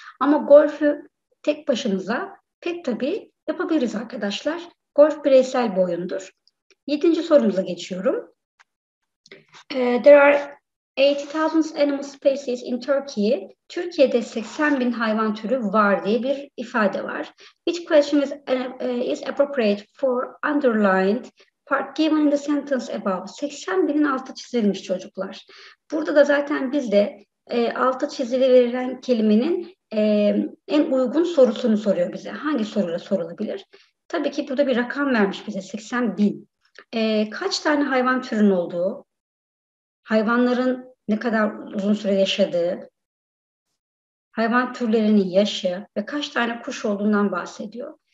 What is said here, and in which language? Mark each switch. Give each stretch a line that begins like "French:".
Turkish: Ama golfü tek başımıza pek tabii yapabiliriz arkadaşlar. Golf bireysel bir oyundur. Yedinci sorumuza geçiyorum.
English: There are 80,000 animal species in Turkey.
Turkish: Türkiye'de 80 bin hayvan türü var diye bir ifade var.
English: Which question is appropriate for underlined part given in the sentence above?
Turkish: 80 binin altı çizilmiş çocuklar. Burada da zaten bizde altı çizili verilen kelimenin en uygun sorusunu soruyor bize. Hangi soruyla sorulabilir? Tabii ki burada bir rakam vermiş bize 80 bin. Kaç tane hayvan türünün olduğu? Hayvanların ne kadar uzun süre yaşadığı, hayvan türlerinin yaşı ve kaç tane kuş olduğundan bahsediyor.